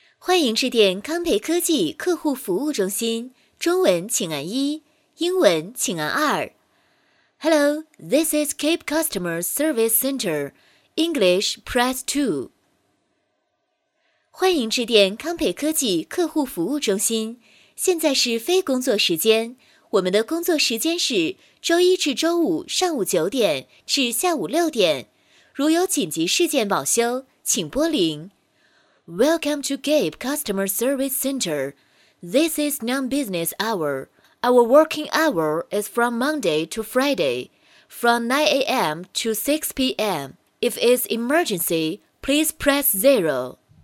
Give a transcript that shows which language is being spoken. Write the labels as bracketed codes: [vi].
[zh] 欢迎致电康培科技客户服务中心，中文请按一，英文请按二。 [en] Hello, this is Cape Customer Service Center. English, press 2. [zh] 欢迎致电康培科技客户服务中心。现在是非工作时间，我们的工作时间是周一至周五上午九点至下午六点。如有紧急事件保修，请拨零。 [en] Welcome to Cape Customer Service Center. This is non-business hour. Our working hour is from Monday to Friday, from 9 a.m. to 6 p.m. If it's emergency, please press 0.